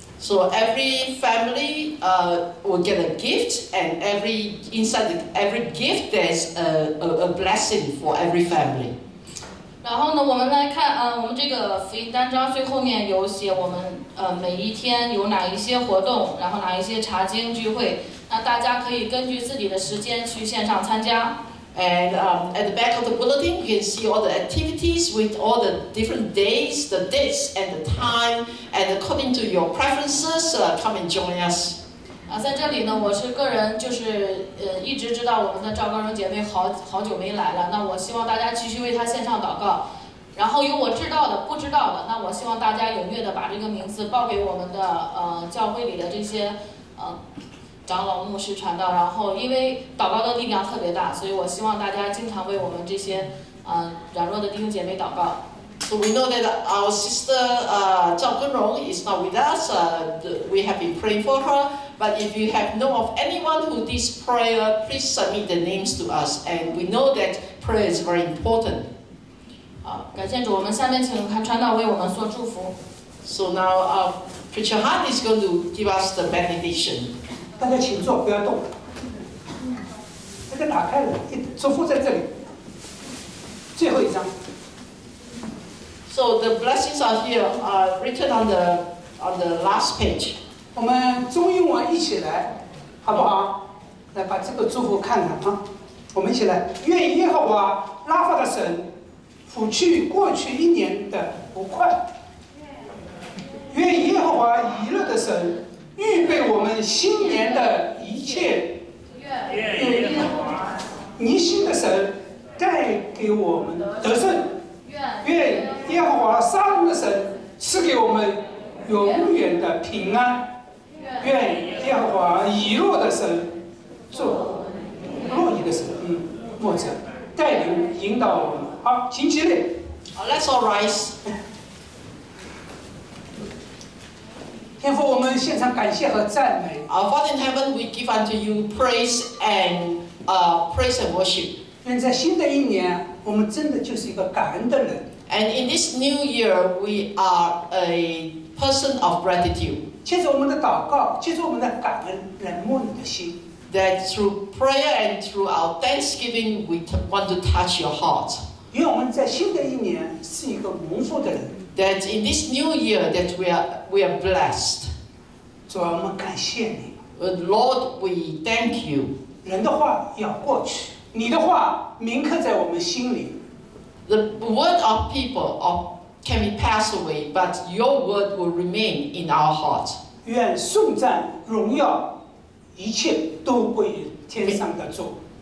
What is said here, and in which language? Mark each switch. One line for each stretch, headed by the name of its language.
English: So every family will get a gift, and every inside every gift there's a blessing for every family.
Chinese: 然后呢，我们来看，我们这个福音单章最后面有写我们，每一天有哪一些活动，然后哪一些查经聚会，那大家可以根据自己的时间去线上参加。
English: And at the back of the bulletin, you can see all the activities with all the different days, the dates and the time, and according to your preferences, come and join us.
Chinese: 啊，在这里呢，我是个人，就是一直知道我们的赵高荣姐妹好久没来了，那我希望大家继续为她献上祷告。然后有我知道的、不知道的，那我希望大家踊跃的把这个名字报给我们的教会里的这些长老、牧师、传道。然后因为祷告的力量特别大，所以我希望大家经常为我们这些软弱的弟兄姐妹祷告。
English: So we know that our sister Zhao Gunrong is not with us. We have been praying for her. But if you have know of anyone who needs prayer, please submit the names to us. And we know that prayer is very important.
Chinese: 好，感谢主。我们下面请传道为我们做祝福。
English: So now Preacher Han is going to give us the benediction.
Chinese: 大家请坐，不要动。那个打开了，祝福在这里。最后一张。
English: So the blessings are here, written on the last page.
Chinese: 我们中英文一起来，好不好？来把这个祝福看看啊！我们一起来，愿耶和华拉法的神抚去过去一年的不快，愿耶和华以勒的神预备我们新年的一切，愿耶和华尼心的神带给我们得胜。愿耶和华撒冷的神赐给我们永远的平安。愿耶和华以诺的神做诺伊的神，牧者带领引导我们。好，请起立。
English: 好 ，Let's all rise。
Chinese: 天父，我们献上感谢和赞美。
English: Father in heaven, we give unto you praise and praise and worship。
Chinese: 愿在新的一年。我们真的就是一个感恩的人。
English: And in this new year, we are a person of gratitude.
Chinese: 借着我们的祷告，借着我们的感恩，来摸你的心。
English: that through prayer and through our thanksgiving, we want to touch your heart. That in this new year that we are blessed.
Chinese: 主啊, 我们感谢你。
English: Lord, we thank you.
Chinese: 人的话要过去, 你的话铭刻在我们心里。
English: The word of people can be passed away, but your word will remain in our heart.
Chinese: 愿颂赞荣耀一切都归天上的主。